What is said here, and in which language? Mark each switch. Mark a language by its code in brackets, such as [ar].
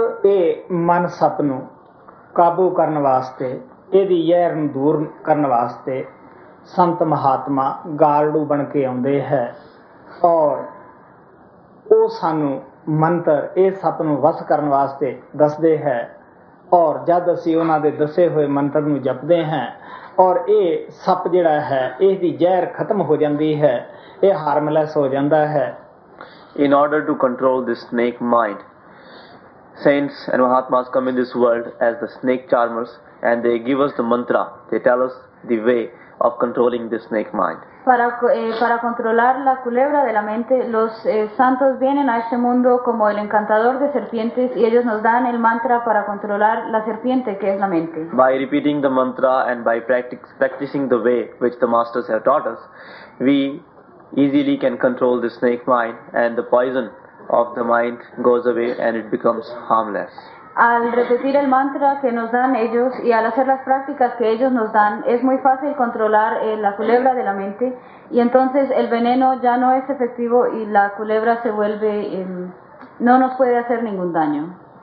[pa] ਇਹ ਮਨ ਸੱਪ ਨੂੰ ਕਾਬੂ ਕਰਨ ਵਾਸਤੇ, ਇਹਦੀ ਯਹਿਰ ਨੂੰ ਦੂਰ ਕਰਨ ਵਾਸਤੇ ਸੰਤ ਮਹਾਤਮਾ ਗਾਰੜੂ ਬਣ ਕੇ ਆਉਂਦੇ ਹੈ ਔਰ ਉਹ ਸਾਨੂੰ ਮੰਤਰ ਇਹ ਸੱਪ ਨੂੰ ਵਸ ਕਰਨ ਵਾਸਤੇ ਦੱਸਦੇ ਹੈ ਔਰ ਜਦ ਅਸੀਂ ਉਹਨਾਂ ਦੇ ਦੱਸੇ ਹੋਏ ਮੰਤਰ ਨੂੰ ਜਪਦੇ ਹਾਂ ਔਰ ਇਹ ਸੱਪ ਜਿਹੜਾ ਹੈ ਇਹਦੀ ਜ਼ਹਿਰ ਖਤਮ ਹੋ ਜਾਂਦੀ ਹੈ, ਇਹ ਹਾਰਮਲੈਸ ਹੋ ਜਾਂਦਾ ਹੈ। [en] In order to control this snake mind saints and mahatmas come in this world as the snake charmers and they give us the mantra they tell us the way of controlling this snake mind. [es] Para controlar la culebra de la mente, los santos vienen a este mundo como el encantador de serpientes y ellos nos dan el mantra para controlar la serpiente que es la mente. [en] By repeating the mantra and by practicing the way which the masters have taught us, we easily can control the snake mind and the poison of the mind goes away and it becomes harmless. [es] Al repetir el mantra que nos dan ellos y al hacer las prácticas que ellos nos dan, es muy fácil controlar la culebra de la mente y entonces el veneno ya no es efectivo y la culebra se vuelve no nos puede hacer ningún daño.